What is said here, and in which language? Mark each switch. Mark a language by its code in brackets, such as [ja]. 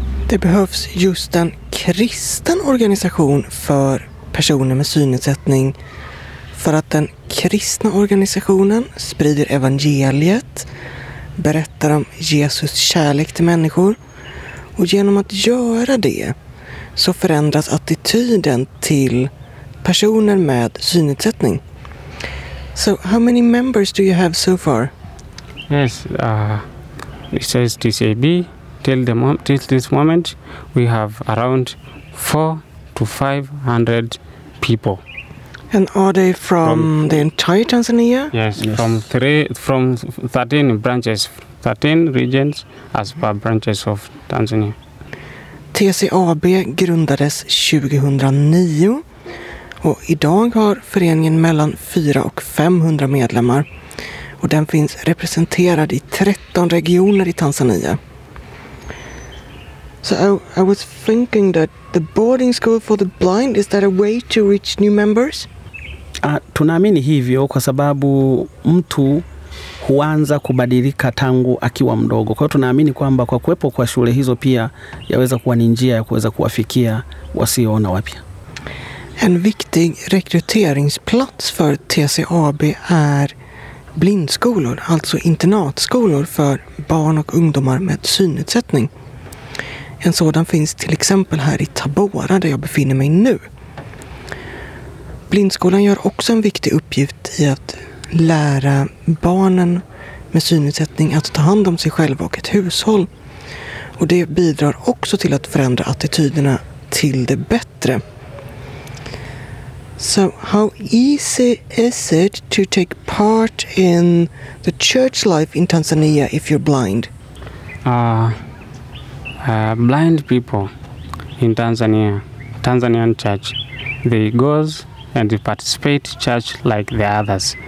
[sv] Det behövs just en kristen organisation för personer med synnedsättning, för att den kristna organisationen sprider evangeliet, berättar om Jesus kärlek till människor, och genom att göra det så förändras attityden till personer med synnedsättning. [en] So how many members do you have so far? Yes, it says TCAB, till this moment we have around 400 to 500 people. And are they from the entire Tanzania? Yes, from 13 branches, 13 regions as per branches of Tanzania. [sv] TCAB grundades 2009. Och idag har föreningen mellan 400 och 500 medlemmar, och den finns representerad i 13 regioner i Tanzania. [en] So I was thinking that the boarding school for the blind, is that a way to reach new members? [sw] Tunaamini hivyo kwa sababu mtu huanza kubadilika tangu akiwa mdogo. Kwa hiyo tunaamini kwamba kwa kuwepo kwa shule hizo pia yaweza kuwa ni njia ya kuweza kuwafikia wasioona wapya. [sv] En viktig rekryteringsplats för TCAB är blindskolor, alltså internatskolor för barn och ungdomar med synnedsättning. En sådan finns till exempel här i Tabora där jag befinner mig nu. Blindskolan gör också en viktig uppgift i att lära barnen med synnedsättning att ta hand om sig själva och ett hushåll. Och det bidrar också till att förändra attityderna till det bättre. [en] So how easy is it to take part in the church life in Tanzania if you're blind? Blind people in Tanzanian church, they go and they participate church like the others.